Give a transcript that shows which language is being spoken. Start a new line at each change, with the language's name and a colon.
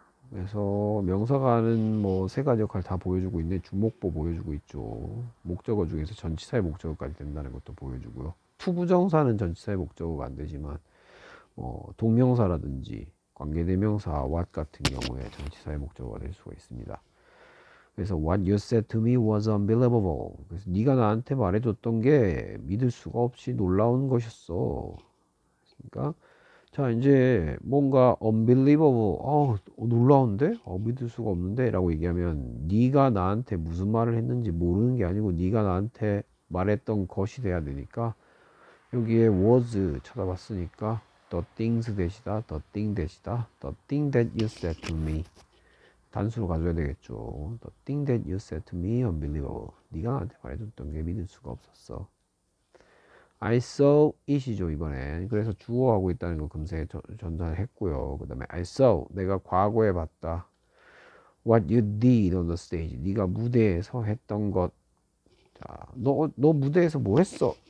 Korean: 그래서 명사가 하는 뭐세 가지 역할 다 보여주고 있네. 주목보 보여주고 있죠. 목적어 중에서 전치사의 목적어까지 된다는 것도 보여주고요. 투부정사는 전치사의 목적어가 안 되지만 동명사라든지 관계대명사 what 같은 경우에 전치사의 목적어가 될 수가 있습니다.
English: 그래서 what you said to me was unbelievable.
Korean: 그래서 네가 나한테 말해줬던 게 믿을 수가 없이 놀라운 것이었어. 그러니까 자 이제 뭔가 unbelievable, 놀라운데? 믿을 수가 없는데라고 얘기하면 네가 나한테 무슨 말을 했는지 모르는 게 아니고 네가 나한테 말했던 것이 돼야 되니까 여기에 was 찾아봤으니까.
English: The things
Korean: 대시다,
English: the thing 대시다, the thing that you said to me.
Korean: 단수로 가져야 되겠죠.
English: The thing that you said to me, unbelievable.
Korean: 네가 나한테 말해줬던 게 믿을 수가 없었어.
English: I saw it
Korean: 이죠, 이번엔. 그래서 주어하고 있다는 거 금세 전달했고요. 그 다음에
English: I saw,
Korean: 내가 과거에 봤다.
English: What you did on the stage.
Korean: 네가 무대에서 했던 것. 자, 너 무대에서 뭐 했어?